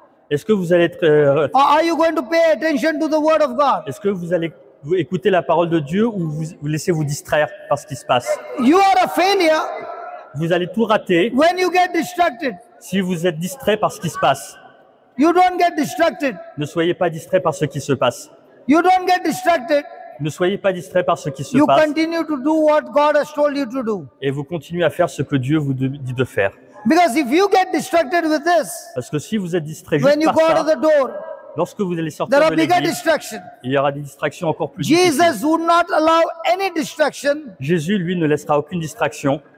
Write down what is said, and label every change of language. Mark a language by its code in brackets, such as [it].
[fr] Est-ce que vous allez Est-ce que vous allez écouter la parole de Dieu ou vous laissez vous distraire par ce qui se passe? [en] You are a failure. [fr] Vous allez tout rater. [en] When you get distracted. [fr] Si vous êtes distrait par ce qui se passe. [en] You don't get distracted. [fr] Ne soyez pas distrait par ce qui se passe. [en] You don't get distracted. [fr] Ne soyez pas distrait par ce qui se [en] you [fr] passe. [en] Continue to do what God has told you to do. [fr] Et vous continuez à faire ce que Dieu vous dit de faire. [en] Because if you get distracted with this, [fr] parce que si vous êtes distrait juste par ça, [en] out of the door, [fr] lorsque vous allez sortir [en] there [fr] de [en] are bigger distractions. [fr] Il y aura des distractions encore plus [en] Jesus would not allow any distraction. [fr] Jésus, lui, ne laissera aucune distraction